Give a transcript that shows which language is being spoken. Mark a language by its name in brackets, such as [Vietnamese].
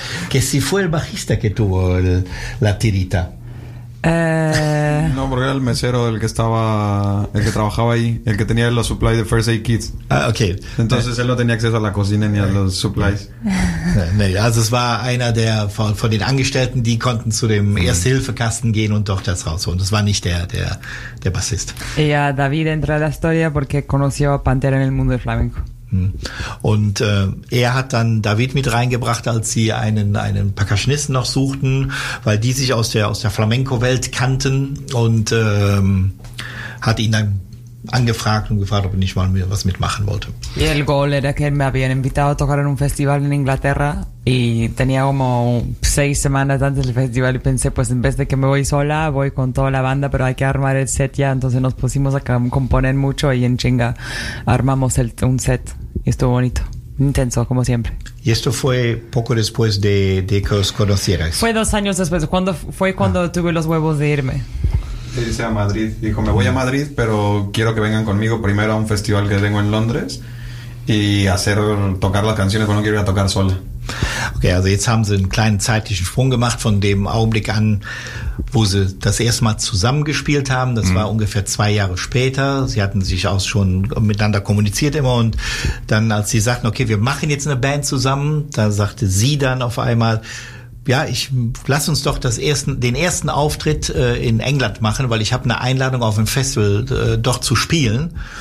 [Spanish] Que si fue el bajista que tuvo la tirita. No, porque era el mesero el que estaba, el que trabajaba ahí, el que tenía los supplies de First Aid Kits. Ah, okay. Entonces él no tenía acceso a la cocina ni a los supplies. [German] Nee, also es war einer der von den Angestellten, die konnten zu dem Erste-Hilfe-Kasten gehen und dort das rausholen. Das war nicht der Bassist. [Spanish] Y a David entra la historia porque conoció a Pantera en el mundo del flamenco. [German] Und er hat dann David mit reingebracht, als sie einen Percussionisten noch suchten, weil die sich aus der Flamenco-Welt kannten, und hat ihn dann angefragt und gefragt, ob er nicht mal was mitmachen wollte. [Spanish] Y el goal era que me habían invitado a tocar en un festival en Inglaterra y tenía como 6 semanas antes del festival y pensé, pues en vez de que me voy sola, voy con toda la banda, pero hay que armar el set ya. Entonces nos pusimos a componer mucho y en chinga armamos un set y estuvo bonito, intenso, como siempre. ¿Y esto fue poco después de que os conocierais? Fue 2 años después, cuando tuve los huevos de irme. Dice a Madrid, dijo, me voy a Madrid, pero quiero que vengan conmigo primero a un festival que tengo en Londres y tocar las canciones, porque no quiero ir a tocar sola. [German] Okay, also jetzt haben sie einen kleinen zeitlichen Sprung gemacht von dem Augenblick an, wo sie das erste Mal zusammengespielt haben. Das war ungefähr 2 Jahre später. Sie hatten sich auch schon miteinander kommuniziert immer. Und dann, als sie sagten, okay, wir machen jetzt eine Band zusammen, da sagte sie dann auf einmal, ja, ich lass uns doch den ersten Auftritt in England machen, weil ich habe eine Einladung auf ein Festival doch zu spielen.